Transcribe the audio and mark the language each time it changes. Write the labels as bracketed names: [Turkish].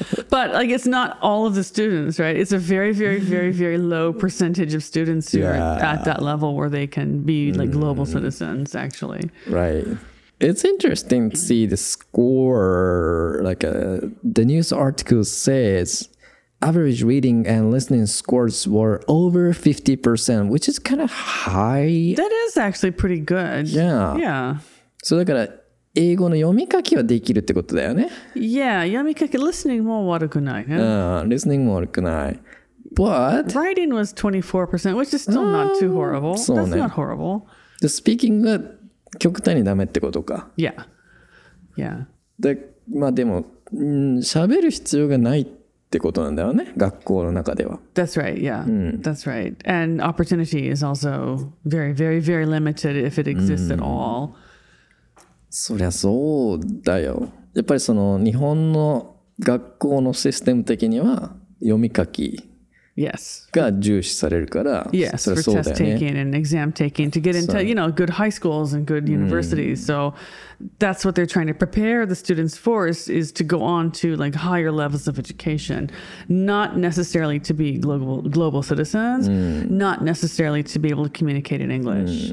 [English] But like, it's not all of the students, right? It's a very, very, very, very low percentage of students who are at that level where they can be like global citizens, actually. Right. It's interesting to see the score. Like, the news article says average reading and listening scores were over 50%, which is kind of high. That is actually pretty good. Yeah. Yeah. [Japanese] So, だから英語の読み書きはできるってことだよね。 Yeah, 読み書き、 [English] listening [Japanese] も悪くない、ね。 Listening も悪くない。But [English] writing was 24%, which is still not too horrible. [Japanese] そうね。 [English] That's not horrible. The speaking [Japanese] が極端にダメってことか。 [English] Yeah. Yeah. [Japanese] で、まあでも、喋る必要がないってことなんだよね、学校の中では。 [English] That's right, yeah. That's right. And opportunity is also very, very, very limited if it exists at all. [Japanese] そりゃそうだよ。やっぱりその日本の学校のシステム的には読み書き。 [English] Yes. [Japanese] が重視されるから、 [English] yes, for test taking and exam taking to get into, you know, good high schools and good universities. So that's what they're trying to prepare the students for is to go on to like higher levels of education, not necessarily to be global citizens, not necessarily to be able to communicate in English.